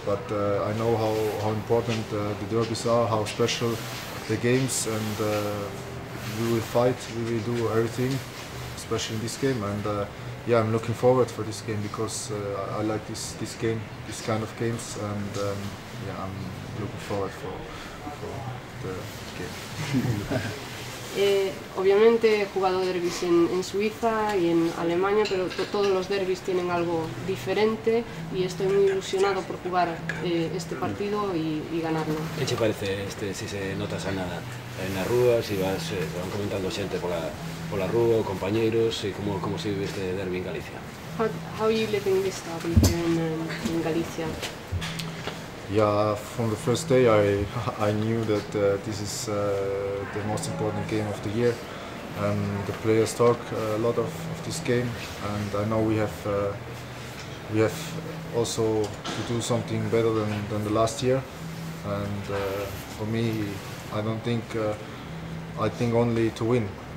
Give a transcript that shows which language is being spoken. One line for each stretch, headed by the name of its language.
English: But I know how important the derbies are, how special the games, and we will fight. We will do everything, especially in this game. And yeah, I'm looking forward for this game because I like this game, this kind of games. And yeah, I'm looking forward for the game.
Spanish: Obviamente he jugado derbis en Suiza y en Alemania, pero todos los derbis tienen algo diferente y estoy muy ilusionado por jugar este partido y ganarlo. ¿Qué te parece este, si se notas a nada en la rúa, si vas, te van comentando gente por la rúa, compañeros, y cómo se vive este derbi en Galicia?
English: How you live in this derby in Galicia? Yeah, from the first day I knew that this is the most important game of the year, and the players talk a lot of this game, and I know we have also to do something better than the last year, and for me I think only to win.